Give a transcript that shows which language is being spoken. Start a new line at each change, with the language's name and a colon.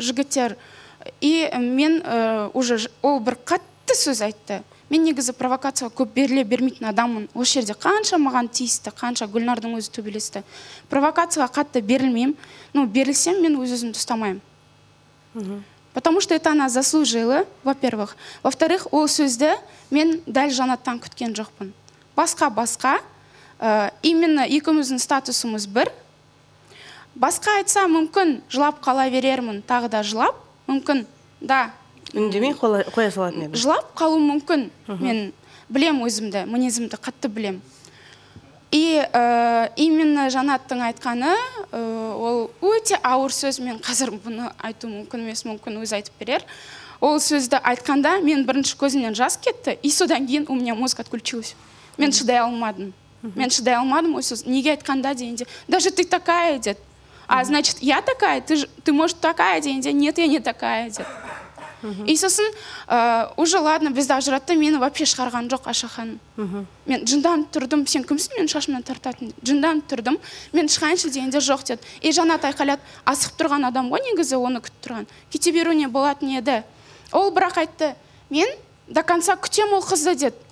Kazakh: Жігіттер и мен уже ол бір қатты сөз айтты. Мен негізі провокацияға көп беріле бермейтін адаммын. Ол жерде қанша маған тиісті, қанша Гүлнардың өзі төбелесті. Провокацияға қатты берілмеймін. Ну, берілсем, мен өз-өзімді ұстамаймын.
Russian: Потому что это она заслужила, во-первых. Во-вторых,
Kazakh: ол сөзді мен дәл жанаттан күткен жоқпын. Басқа-басқа, именно екіміздің статусымыз бір. Басқа айтса, мүмкін жылап қала берермін, тағы да жылап. Мүмкін, да. Үндемей қоя салатын едім. Жылап қалу мүмкін. Мен білем өзімді, мінезімді қатты білем. И именно Жанаттың айтқаны, ол өте ауыр сөз, мен қазір бұны айту мүмкін емес, мүмкін өз айтып берер. Ол сөзді айтқанда, мен бірінші көзімнен жас кетті, и содан кейін
Russian: у меня мозг отключился.
Kazakh: Мен шыдай алмадым. Мен шыдай алмадым, ой сөз, неге айтқанда дегенде,
Russian: даже ты такая,
Kazakh: деді.
Russian: А значит, я такая, ты может такая дегенде, нет, я не такая, деді.
Kazakh: И сосын, уже ладно, бізді ажыратты, мені вообще шығарған жоқ Ашахан. Мен жындан тұрдым, сен кімсің мен шашымнан тартатын? Жындан тұрдым, мен шығайыншы дегенде жоқ, деді. И Жанат айқалады, асық тұрған адам ғой негізі оны күтіп тұрған. Кете беруіне болатын еді. Ол бірақ айтты, мен
Russian: до конца
Kazakh: күтем ол қызды, деді.